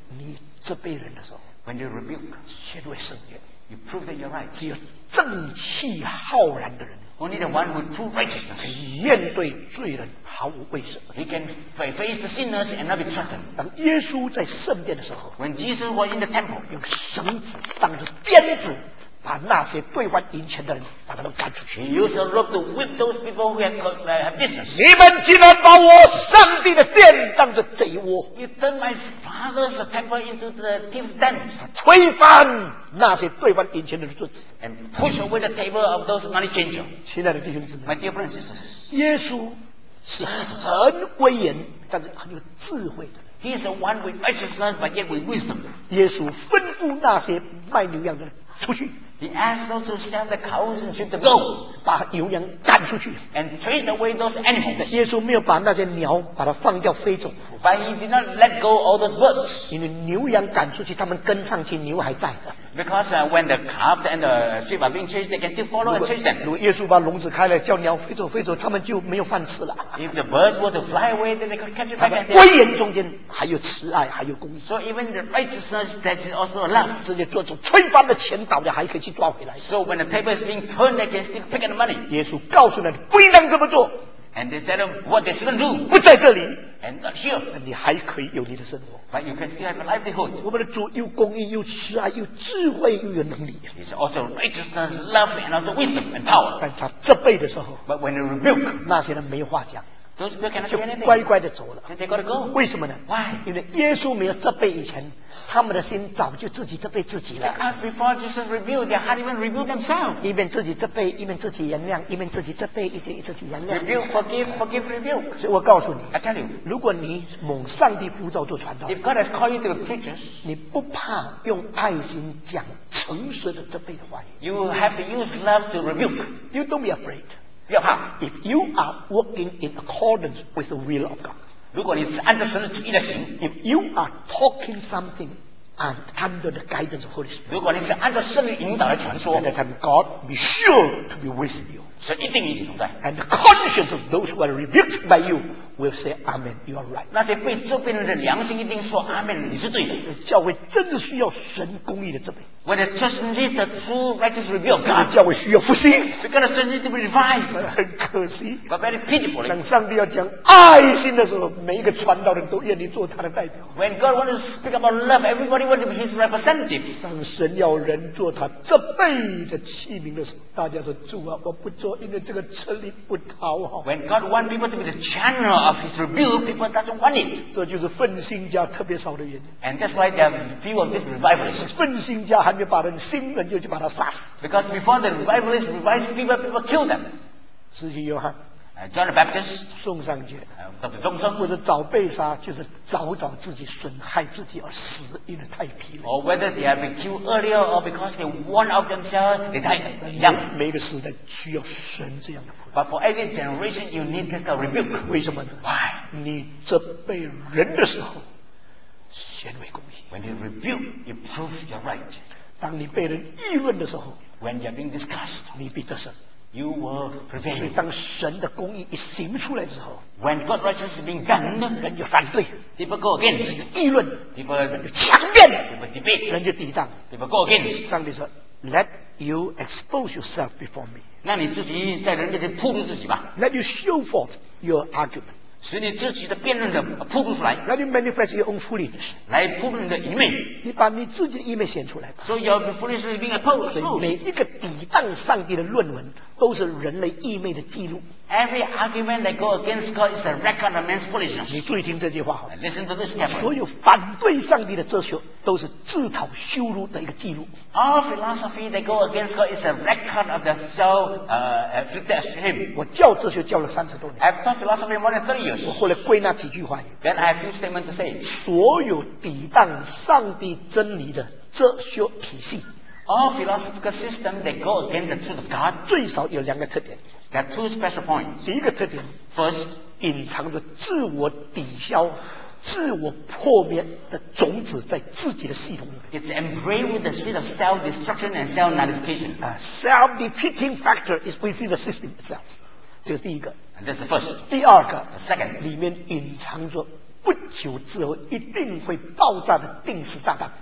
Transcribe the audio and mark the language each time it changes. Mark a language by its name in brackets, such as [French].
[Chinese] 你责备人的时候。 [English] When you rebuke. [Chinese] 显为圣洁。 [English] You prove that you're right. [Chinese] 只有正气浩然的人。 [English] Only the one with true righteousness. [Chinese] 面对罪人毫无畏缩。 [English] He can face the sinners and not be threatened. [Chinese] 当耶稣在圣殿的时候。 [English] When Jesus was in the temple. [Chinese] 用绳子当作鞭子，把那些兑换银钱的人把他们赶出去。 [English] He used a rope to whip those people who have business. [Chinese] 你们竟然把我上帝的殿当作贼窝。 [English] You turned my father's temple into the thief den. [Chinese] 推翻那些兑换银钱的桌子。 [English] And push away the table of those money changers. [Chinese] 亲爱的弟兄姊妹。 [English] My dear brothers and sisters. [Chinese] 耶稣是很威严，但是很有智慧的。 [English] He is the one with righteousness, but yet with wisdom. [Chinese] 耶稣吩咐那些卖牛羊的人出去。 [English] He asked those who sell the cows and sheep to go, [Chinese] 把牛羊赶出去。 [English] And chase away those animals. [Chinese] 耶稣没有把那些鸟把它放掉飞走。 [English] But he did not let go all those birds. [Chinese] 因为牛羊赶出去，他们跟上去，牛还在。 [English] Because when the calf and the sheep are being chased, they can still follow and chase them. [Chinese] 如果耶稣把笼子开了，叫鸟飞走飞走，他们就没有饭吃了。 [English] If the birds were to fly away, then they could catch it back. [Chinese] 他们威严中间还有慈爱，还有公义。 [English] So even the righteousness that is also a love. [Chinese] 直接做出推翻的钱倒了，还可以去抓回来。 [English] So when the table is being turned, they can still pick up the money. [Chinese] 耶稣告诉他们不能这么做。 [English] And they said what they shouldn't do. [Chinese] 不在这里。 [English] And not here. [Chinese] 你还可以有你的生活。 [English] But you can still have a livelihood. [Chinese] 我们的主又公义又慈爱又智慧又有能力。 [English] He's also righteousness, love, and also wisdom and power. [Chinese] 但他责备的时候。 [English] But when you rebuke, [Chinese] 那些人没话讲。 [English] Those people cannot say anything. [Chinese] 就乖乖的走了。 [English] And they got to go. [Chinese] 为什么呢？ [English] Why? [Chinese] 因为耶稣没有责备以前，他们的心早就自己责备自己了。 [English] As before Jesus rebuked, they hadn't even rebuked themselves. [Chinese] 一边自己责备，一边自己原谅，一边自己责备，一边自己原谅。 [English] Rebuke, forgive, forgive, rebuke. [Chinese] 所以我告诉你， [English] I tell you, [Chinese] 如果你蒙上帝呼召做传道， [English] If God has called you to be preachers, [Chinese] 你不怕用爱心讲诚实的责备的话语。 [English] You have to use love to rebuke. You don't be afraid. [Chinese] 不要怕。 [English] If you are working in accordance with the will of God. [Chinese] 如果你是按照神的旨意的行 [English] ，If you are talking something and under the guidance of Holy Spirit， [Chinese] 如果你是按照圣灵引导来传说 [English] ，Then God be sure to be with you， [Chinese] 神一定与你同在。 [English] And the conscience of those who are rebuked by you will say Amen， you are right。 [Chinese] 那些被责备人的良心一定说 Amen， 你是对的。教会真的需要神公义的责备。 [English] When the church needs the true righteous review of God， [Chinese] 教会需要复兴。 [English] Because the church needs to be revived。 [Chinese] 很可惜。 [English] But very pitifully。 [Chinese] 当上帝要讲爱心的时候，每一个传道人都愿意做他的代表。 [English] When God wants to speak about love， everybody wants to be his representative。 [Chinese] 当神要人做他这辈的器皿的时候，大家说主啊，我不做，因为这个吃力不讨好。 [English] When God wants people to be the channel of his review， people doesn't want it。 [Chinese] 这就是奋兴家特别少的原因。 [English] And that's why there are few of this revivalist。 [Chinese] 奋兴家还没把人新人就去把他杀死。 [English] Because before the revivalists revived, people killed them. [Chinese] 使徒约翰。 [English] John the Baptist. [Chinese] 送上去。终生。不是早被杀，就是早早自己损害自己而死，因为太疲累。 [English] Or whether they have been killed earlier, or because they worn out themselves, they died young. [Chinese] 每个时代需要神这样的。 [English] But for every generation, you need this kind of rebuke. [Chinese] 为什么呢？ [English] Why? [Chinese] 你责备人的时候，显为公义。 [English] When you rebuke, you prove you're right. [Chinese] 当你被人议论的时候， [English] When you're being discussed, [Chinese] 你必得胜。 [English] You will prevail. [Chinese] 所以当神的公义一行出来之后， [English] When God's righteousness is being done, [Chinese] 人就反对。 [English] People go against. [Chinese] 人就议论。 [English] People [Chinese] 就强辩。 [English] People debate. [Chinese] 人就抵挡。 [English] People go against. [Chinese] 上帝说， [English] Let you expose yourself before me. [Chinese] 那你自己在人面前暴露自己吧。 [English] Let you show forth your argument. [Chinese] 使你自己的辩论的铺露出来。那就 [English] manifest your own foolishness， [Chinese] 来铺露你的愚昧。你把你自己的愚昧显出来。所以 [English] your foolishness being opposed。 [Chinese] 所以每一个抵挡上帝的论文，都是人类愚昧的记录。 [English] Every argument that go against God is a record of man's foolishness。 [Chinese] 你注意听这句话。 [English] Listen to this carefully。 [Chinese] 所有反对上帝的哲学，都是自讨羞辱的一个记录。 [English] All philosophy that go against God is a record of the soul afflicted shame。 [Chinese] 我教哲学教了30多年。 [English] I've taught philosophy more than 30 years。 [Chinese] 我后来归纳几句话。 [English] Then I have a few statements to say。 [Chinese] 所有抵挡上帝真理的哲学体系 [English] ，All philosophical system that go against the truth of God， [Chinese] 最少有两个特点。 [English] There are two special points。 [Chinese] 第一个特点 [English] ，First， [Chinese] 隐藏着自我抵消、自我破灭的种子在自己的系统里面。 [English] It's embraced with the seed of self-destruction and self-nullification。 A self-defeating factor is within the system itself。 [Chinese] 这是第一个。 [English] And that's the first. [Chinese] 第二个 [English] the second, [Chinese] 里面隐藏着不久之后一定会爆炸的定时炸弹。